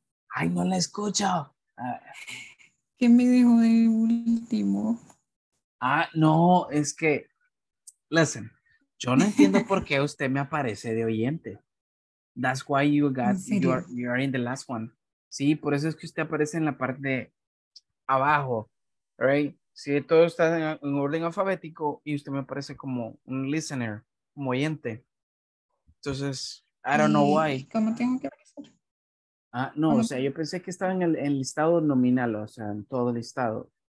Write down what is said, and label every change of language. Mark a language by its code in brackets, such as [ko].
[es] Ay, no la escucho. ¿Qué me dejó de último? Ah, no, es que, listen. Yo no entiendo por qué usted me aparece de oyente. [en] That's why you got, you are in the last one. [es] Sí, por eso es que usted aparece en la parte de abajo, right? Si sí, todo está en orden alfabético y usted me aparece como un listener, como oyente. [en] Entonces, I don't know why. [es] ¿Cómo tengo que aparecer? Ah, no, ¿cómo? O sea, yo pensé que estaba en el listado nominal, o sea, en todo el listado.